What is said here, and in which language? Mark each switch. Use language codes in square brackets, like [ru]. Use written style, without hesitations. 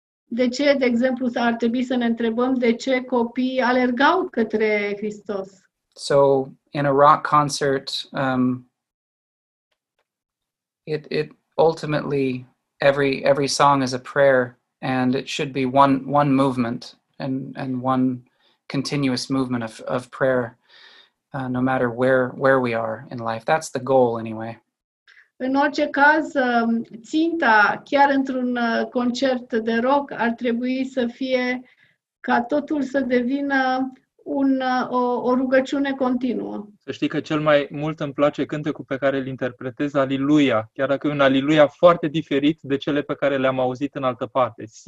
[ro] De ce, de exemplu, ar trebui să ne întrebăm de ce copiii alergau către Hristos? [en] So, in a rock concert, it ultimately every song is a prayer, and it should be one movement and one continuous movement of prayer, no matter where we are in life. That's the goal, anyway. [ro] În orice caz, ținta, chiar într-un concert de rock, ar trebui să fie ca totul să devină o rugăciune continuă. Să știi că cel mai mult îmi place cântecul pe care îl interpretez, Aliluia, chiar dacă e un Aliluia foarte diferit de cele pe care le-am auzit în altă parte.